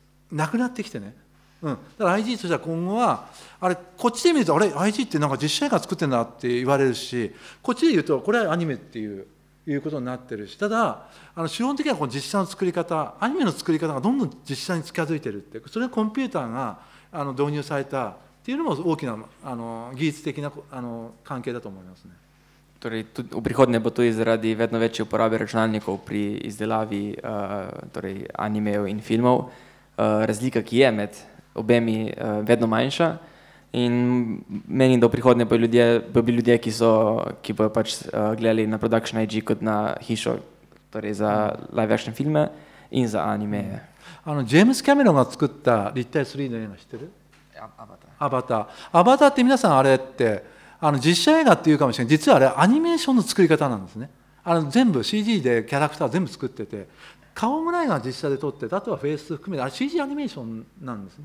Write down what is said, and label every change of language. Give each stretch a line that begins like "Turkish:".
Japanese: なくなってきてね、だから IG としては今後はあれこっちで見るとあれ IG ってなんか実写映画作ってるなって言われるし、こっちで言うとこれはアニメっていう、いうことになってるし、ただ主要的にはこの実写の作り方、アニメの作り方がどんどん実写に近づいてるって、それはコンピューターが導入されたっていうのも大きな技術的な関係だと思いますね。
Slovenian: Torej, tudi v prihodnje bo tudi zaradi vedno večje uporabe računalnikov pri izdelavi animejev in filmov razlika, ki je med obemi, vedno manjša in menim, da v prihodnje bo ljudje, ki bojo pač gledali na Production IG kot na hišo torej za live action filme in za animeje.
Japanese: James Cameron が作った立体 3D の映画知ってる？アバターって皆さんあれって実写映画っていうかもしれない、実はあれアニメーションの作り方なんですね。全部 CG でキャラクター全部作ってて、顔ぐらいが実写で撮ってて、あとはフェイス含めて CG アニメーションなんです。